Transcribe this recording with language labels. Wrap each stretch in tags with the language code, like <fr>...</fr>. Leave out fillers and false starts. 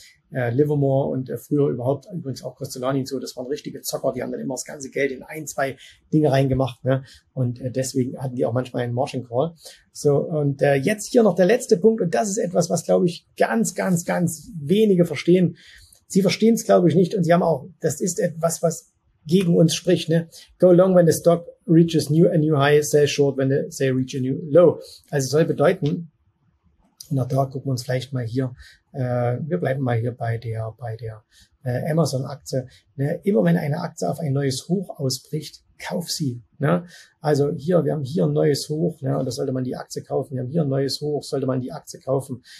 <de>Livermore und früher überhaupt, übrigens auch Costolani und so, das waren richtige Zocker, die haben dann immer das ganze Geld in ein, zwei Dinge reingemacht, ne? Und deswegen hatten die auch manchmal einen Margin Call. So, und jetzt hier noch der letzte Punkt, und das ist etwas, was, glaube ich, ganz, ganz, ganz wenige verstehen. Sie verstehen es, glaube ich, nicht, und sie haben auch, das ist etwas, was gegen uns spricht, ne?</de> <en>Go long when the stock reaches a new high, sell short when they reach a new low.</en> <de>Also soll bedeuten, na da gucken wir uns vielleicht mal hier, wir bleiben mal hier bei der Amazon-Aktie. Ne? Immer wenn eine Aktie auf ein neues Hoch ausbricht, kauf sie. Ne? Also hier, wir haben hier ein neues Hoch, ne? Und da sollte man die Aktie kaufen. Wir haben hier ein neues Hoch, sollte man die Aktie kaufen.</de>